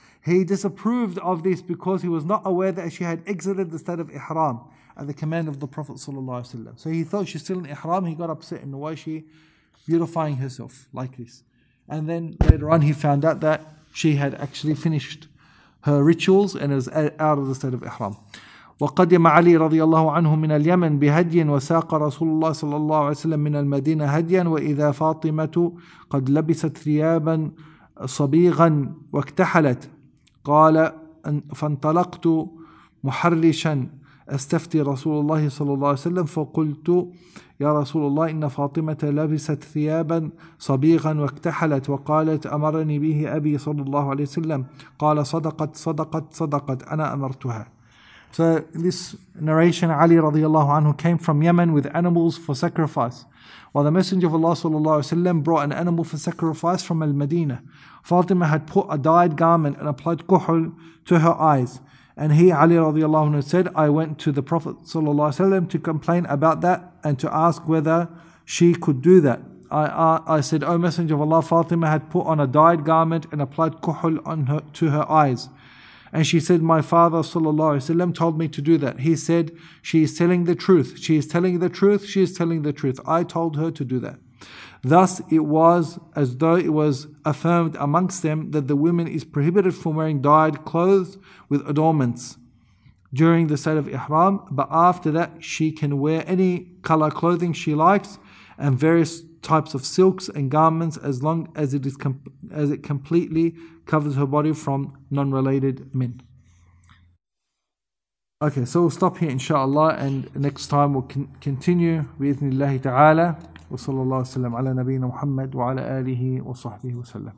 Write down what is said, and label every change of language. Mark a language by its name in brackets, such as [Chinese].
[English] He disapproved of this because he was not aware that she had exited the state of ihram at the command of the Prophet sallallahu alaihi wasallam. So he thought she's still in ihram. He got upset, and why is she beautifying herself like this? And then later on, he found out that she had actually finished her rituals and was out of the state of ihram. [Arabic] وقدم علي رضي الله عنه من اليمن بهدي وساق رسول الله صلى الله عليه وسلم من المدينة هديا وإذا فاطمة قد لبست ثيابا صبيغا واكتحلت قال فانطلقت محرشا أستفتي رسول الله صلى الله عليه وسلم فقلت يا رسول الله إن فاطمة لبست ثيابا صبيغا واكتحلت وقالت أمرني به أبي صلى الله عليه وسلم قال صدقت صدقت صدقت أنا أمرتها. [English] So this narration, Ali [Arabic] رضي الله عنه [English] came from Yemen with animals for sacrifice, while the Messenger of Allah [Arabic] صلى الله عليه وسلم [English] brought an animal for sacrifice from Al-Madinah. Fatima had put a dyed garment and applied kuhul to her eyes. And he, Ali radiallahu anhu, said, "I went to the Prophet sallallahu alaihi wasallam to complain about that and to ask whether she could do that. I said, O Messenger of Allah, Fatima had put on a dyed garment and applied kuhul to her eyes. And she said, my father sallallahu alaihi wasallam told me to do that. He said, she is telling the truth. She is telling the truth. She is telling the truth. I told her to do that. Thus it was as though it was affirmed amongst them that the women is prohibited from wearing dyed clothes with adornments during the state of ihram, but after that she can wear any color clothing she likes and various types of silks and garments as long as it is as it completely covers her body from non-related men. Okay, so we'll stop here inshallah, and next time we'll continue [Arabic] بإذن الله تعالى. وصلى الله وسلم على نبينا محمد وعلى آله وصحبه وسلم.